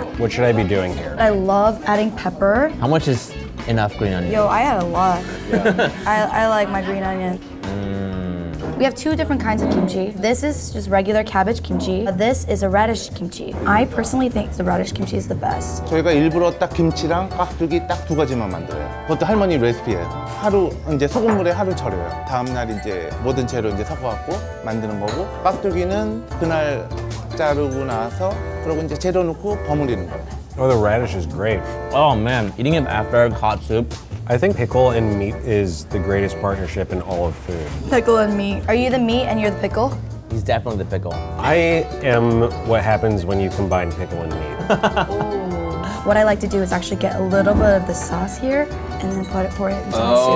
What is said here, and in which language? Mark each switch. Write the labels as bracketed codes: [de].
[en] What should I be doing here? I love adding pepper. How much is enough green onion? Yo, I add a lot. Yeah. I like my green onion. We have two different kinds of kimchi. This is just regular cabbage kimchi. This is a radish kimchi. I personally think the radish kimchi is the best. [ko] 저희가 일부러 딱 김치랑 깍두기 딱 두 가지만 만들어요. 그것도 할머니 레시피예요. 하루 이제 소금물에 하루 절여요. 다음 날 이제 모든 재료 이제 섞어갖고 만드는 거고 깍두기는 그날 자르고 나서 그러고 이제 재료 넣고 버무리는 거예요. [en] Oh, the radish is great. Oh man, eating it after a hot soup. I think pickle and meat is the greatest partnership in all of food. Pickle and meat. Are you the meat and you're the pickle? He's definitely the pickle. I am what happens when you combine pickle and meat. What I like to do is actually get a little bit of the sauce here and then pour it into the soup.